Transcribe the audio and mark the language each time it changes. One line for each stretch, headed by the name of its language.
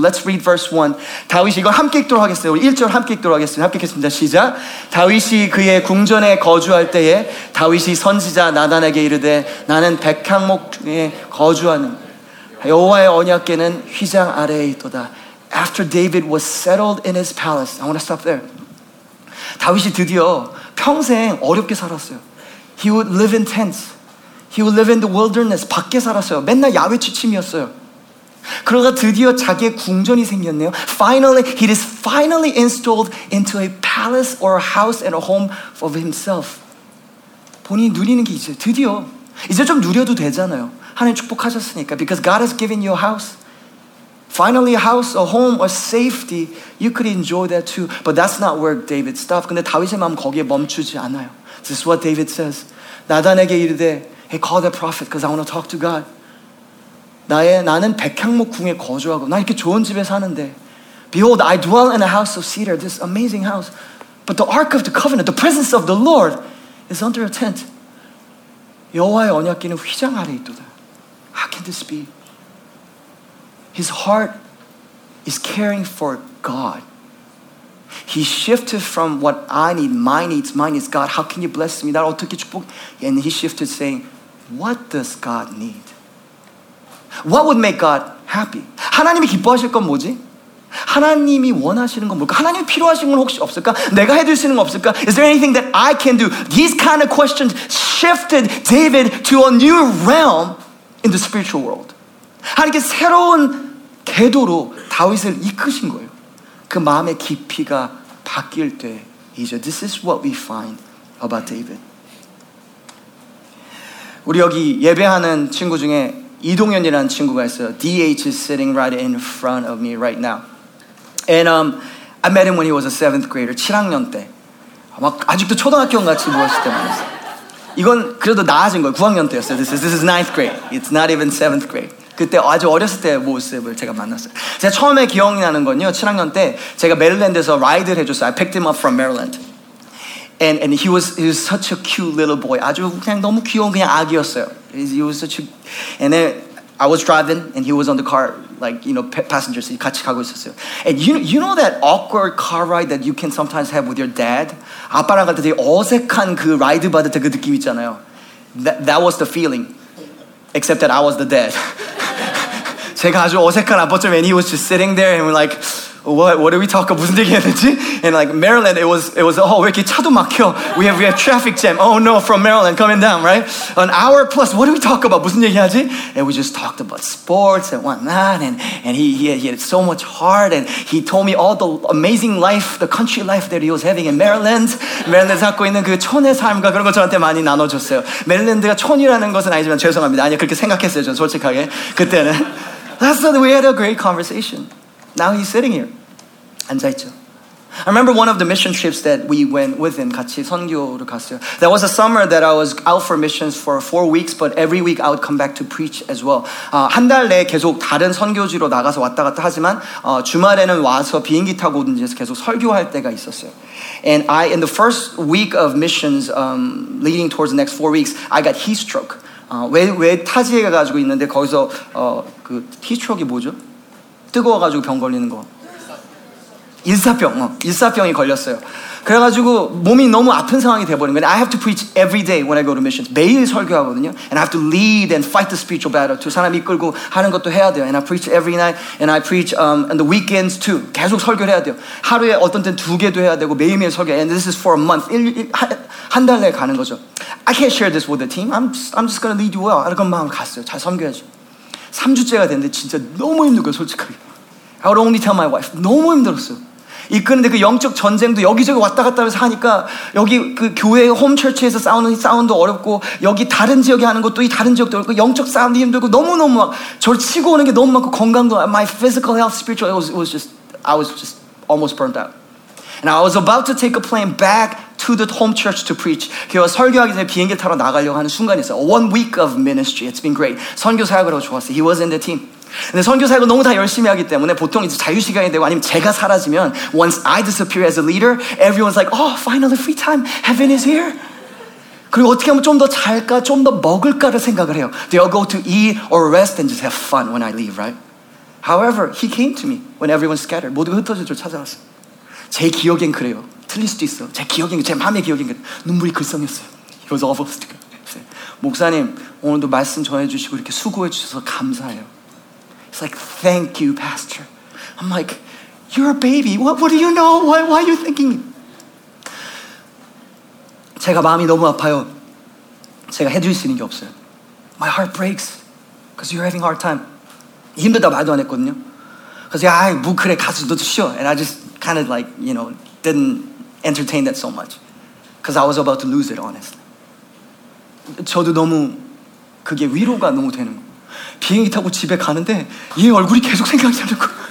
English: Let's read verse 1.
Korean: 다윗이 이걸 함께 읽도록 하겠습니다. 1절 함께 읽도록 하겠습니다. 함께 읽겠습니다. 시작! 다윗이 그의 궁전에 거주할 때에 다윗이 선지자 나단에게 이르되 나는 백향목 중에 거주하는 여호와의 언약궤는 휘장 아래에 있도다.
English: After David was settled in his palace, I want to stop there.
Korean: 다윗이 드디어 평생 어렵게 살았어요.
English: He would live in tents. He would live in the wilderness.
Korean: 밖에 살았어요. 맨날 야외 취침이었어요. 그러다 드디어 자기의 궁전이 생겼네요.
English: Finally, he is finally installed into a palace or a house and a home of himself.
Korean: 본인이 누리는 게 있어요. 드디어 이제 좀 누려도 되잖아요. 하나님 축복하셨으니까.
English: Because God has given you a house. Finally, a house, a home, a safety. You could enjoy that too. But that's not where David stopped.
Korean: 근데 다윗의 마음 거기에 멈추지 않아요.
English: This is what David says.
Korean: 나단에게 이르되,
English: hey, call the prophet because I want to talk to God.
Korean: 나는 백향목 궁에 거주하고 나 이렇게 좋은 집에 사는데
English: Behold, I dwell in a house of cedar, this amazing house. But the ark of the covenant, the presence of the Lord is under a tent.
Korean: 여호와의 언약궤는 휘장 아래 있도다.
English: How can this be? His heart is caring for God. He shifted from what I need, my needs, God, how can you bless me?
Korean: 나를 어떻게 축복?
English: And he shifted saying, what does God need? What would make God happy?
Korean: 하나님이 기뻐하실 건 뭐지? 하나님이 원하시는 건 뭘까? 하나님이 필요하신 건 혹시 없을까? 내가 해줄 수 있는 건 없을까?
English: Is there anything that I can do? These kind of questions shifted David to a new realm in the spiritual world.
Korean: 하나님께 새로운 궤도로 다윗을 이끄신 거예요. 그 마음의 깊이가 바뀔 때 이제
English: this is what we find about David.
Korean: 우리 여기 예배하는 친구 중에 이동현이라는 친구가 있어요.
English: DH is sitting right in front of me right now. And I met him when he was a 7th grader,
Korean: 7학년 때. 막 아직도 초등학교 같이 보였을 때 만났어. 이건 그래도 나아진 거예요. 9학년 때였어요.
English: This is 9th grade. It's not even 7th grade.
Korean: 그때 아주 어렸을 때 모습을 제가 만났어요. 제가 처음에 기억이 나는 건요. 7학년 때 제가 메릴랜드에서 라이드를 해줬어요.
English: I picked him up from Maryland. And he was such a cute little boy.
Korean: 아주 그냥 너무 귀여운 그냥 아기였어요.
English: And then I was driving, and he was on the car, like, you know, passenger seat,
Korean: 같이 가고 있었어요.
English: And you know that awkward car ride that you can sometimes have with your dad?
Korean: 아빠랑 갈 때 되게 어색한 그 라이드 받을 때 그 느낌 있잖아요.
English: That was the feeling, except that I was the dad.
Korean: 제가 아주 어색한 아빠처럼,
English: and he was just sitting there, and we're like, what are we talking about?
Korean: 무슨 얘기 해야 되지?
English: And like, Maryland, it was, oh,
Korean: 왜 이렇게 차도 막혀?
English: We have traffic jam. Oh no, from Maryland, coming down, right? An hour plus, what do we talk about?
Korean: 무슨 얘기 하지?
English: And we just talked about sports and whatnot, and he had so much heart, and he told me all the amazing life, the country life that he was having in Maryland.
Korean: Maryland에서 갖고 있는 그 촌의 삶과 그런 걸 저한테 많이 나눠줬어요. Maryland가 촌이라는 것은 아니지만 죄송합니다. 아니, 그렇게 생각했어요, 저는 솔직하게. 그때는.
English: That's when we had a great conversation. Now he's sitting here.
Korean: 앉아있죠.
English: I remember one of the mission trips that we went with him.
Korean: 같이 선교를 갔어요.
English: That was a summer that I was out for missions for 4 weeks, but every week I would come back to preach as well.
Korean: 한 달 내에 계속 다른 선교지로 나가서 왔다 갔다 하지만 주말에는 와서 비행기 타고 오든지 해서 계속 설교할 때가 있었어요.
English: And I, in the first week of missions, leading towards the next 4 weeks, I got heat stroke.
Korean: 왜 타지에 가가지고 있는데 거기서 그 heat stroke이 뭐죠? 뜨거워가지고 병 걸리는 거. 일사병이 걸렸어요. 그래가지고 몸이 너무 아픈 상황이 돼버린 거예요.
English: I have to preach every day when I go to missions.
Korean: 매일 설교하거든요.
English: And I have to lead and fight the spiritual battle too.
Korean: 사람 이끌고 하는 것도 해야 돼요.
English: And I preach every night. And I preach on the weekends too.
Korean: 계속 설교를 해야 돼요. 하루에 어떤 땐 두 개도 해야 되고 매일매일 설교.
English: And this is for a month.
Korean: 한 달 내에 가는 거죠.
English: I can't share this with the team. I'm just going to lead you well.
Korean: 그런 마음으로 갔어요. 잘 섬겨야죠. 3주째가 됐는데 진짜 너무 힘든 거예요, 솔직하게.
English: I would only tell my wife.
Korean: 너무 힘들었어요. 이끄는데 그 영적 전쟁도 여기저기 왔다 갔다 하면서 하니까 여기 그 교회 홈처치에서 싸우는 사운드 어렵고 여기 다른 지역에 하는 것도 이 다른 지역도 어렵고 영적 사운드 힘들고 너무너무 막 저를 치고 오는 게 너무 많고 건강도
English: My physical health, spiritual, I was just almost burnt out. And I was about to take a plane back to the home church to preach.
Korean: 그 설교하기 전에 비행기 타러 나가려고 하는 순간이었어요.
English: One week of ministry. It's been great.
Korean: 선교 사역을 하고 좋았어요.
English: He was in the team.
Korean: 근데 선교 사역을 너무 다 열심히 하기 때문에 보통 이제 자유시간이 되고 아니면 제가 사라지면
English: Once I disappear as a leader, everyone's like, oh, finally free time. Heaven is here.
Korean: 그리고 어떻게 하면 좀 더 잘까, 좀 더 먹을까를 생각을 해요.
English: They'll go to eat or rest and just have fun when I leave, right? However, he came to me when everyone scattered.
Korean: 모두가 흩어진 줄 찾아왔어요. 제 기억엔 그래요. 틀릴 수도 있어. 제 기억엔, 제 마음의 기억엔 그래요. 눈물이 글썽였어요.
English: It was awful.
Korean: 목사님, 오늘도 말씀 전해주시고 이렇게 수고해 주셔서 감사해요.
English: It's like, thank you, pastor. I'm like, you're a baby. What do you know? Why are you thinking?
Korean: 제가 마음이 너무 아파요. 제가 해줄 수 있는 게 없어요.
English: My heart breaks because you're having a hard time.
Korean: 힘들다 말도 안 했거든요. 그래서 아이 뭐 그래 가서 너도 쉬어.
English: And I just kind of like, you know, didn't entertain that so much. Because I was about to lose it, honestly.
Korean: 저도 너무 그게 위로가 너무 되는 거. 비행기 타고 집에 가는데 얘 얼굴이 계속 생각이 나는 거.